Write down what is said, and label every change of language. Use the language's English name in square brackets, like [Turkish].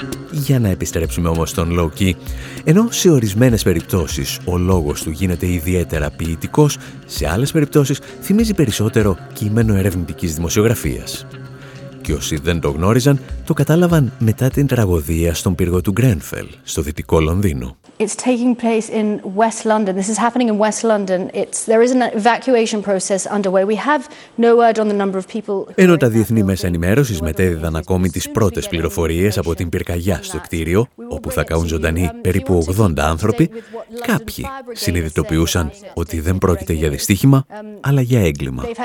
[Greek] Για να επιστρέψουμε όμως στον Low Key. Ενώ σε ορισμένες περιπτώσεις ο λόγος του γίνεται ιδιαίτερα ποιητικός, σε άλλες περιπτώσεις θυμίζει περισσότερο κείμενο ερευνητικής δημοσιογραφίας. Και όσοι δεν το γνώριζαν, το κατάλαβαν μετά την τραγωδία στον πύργο του Γκρένφελ, στο δυτικό Λονδίνο. [English] It's taking place in West London. This is happening in West London. There is an evacuation process underway. We have no word on the number of people. [Greek] Ενώ τα διεθνή μέσα ενημέρωσης μετέδιδαν ακόμη τις πρώτες πληροφορίες από την πυρκαγιά στο κτίριο, όπου θα καούν ζωντανοί περίπου 80 άνθρωποι, κάποιοι συνειδητοποιούσαν ότι δεν πρόκειται για δυστύχημα, αλλά για έγκλημα.